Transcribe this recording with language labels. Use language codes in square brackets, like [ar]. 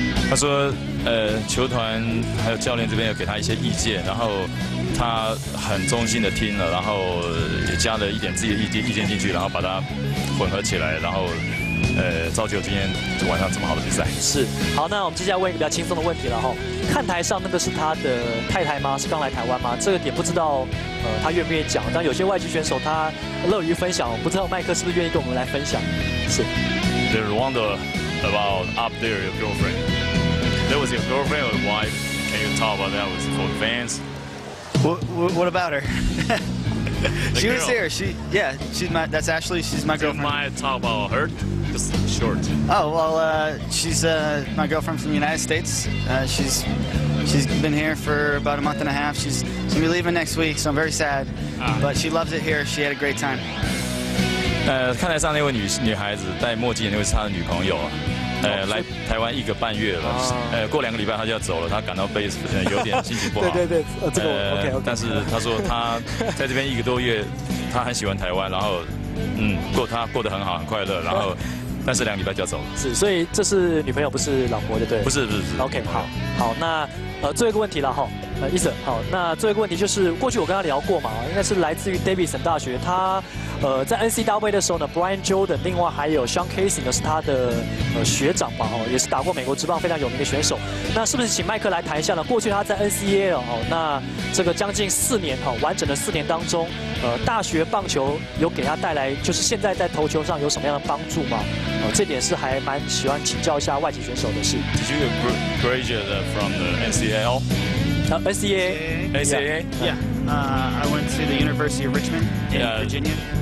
[zh] 他说，球团还有教练这边有给他一些意见，然后他很忠心的听了，然后也加了一点自己的意见进去，然后把它混合起来，然后。造就今天晚上这么好的比赛。是，好，那我们接下来问一个比较轻松的问题了哈。看台上那个是他的太太吗？是刚来台湾吗？这个点不知道，他愿不愿意讲？但有些外籍选手他乐于分享，不知道麦克是不是愿意跟我们来分享？是。 [en] They wonder about up there your girlfriend. There was your girlfriend or wife? Can you talk about that? Was it for fans? What about her? She was here. That's Ashley. She's my girlfriend. Do you mind talk about her? Short. Oh, well, she's my girlfriend from the United States. She's been here for about a month and a half. She's going to be leaving next week, so I'm very sad. But she loves it here. She had a great time. [zh] 看台上那位女孩子戴墨镜，那位是她的女朋友。来台湾一个半月了，过两个礼拜他就要走了，他感到有点心情不好。对，这个OK。但是他说他在这边一个多月。他很喜欢台湾，然后过得很好，很快乐，然后但是两个礼拜就要走了。是，所以这是女朋友，不是老婆，对不对？不是，不是。 OK， 好，好，那最后一个问题了哈，Ethan， 好，那最后一个问题就是，过去我跟他聊过嘛，应该是来自于 Davidson 大学，他在 NCAA 的时候呢 ，Brian Jordan， 另外还有 Sean Casey 呢是他的学长吧，也是打过美国职棒非常有名的选手。那是不是请麦克来谈一下呢？过去他在 NCAA 哦，那这个将近四年哈，完整的四年当中，大学棒球有给他带来，就是现在在投球上有什么样的帮助吗？这点是还蛮喜欢请教一下外籍选手的事。 [en] Did you graduate from the NCAA？ SCA. Yeah. I went to the University of Richmond in Virginia.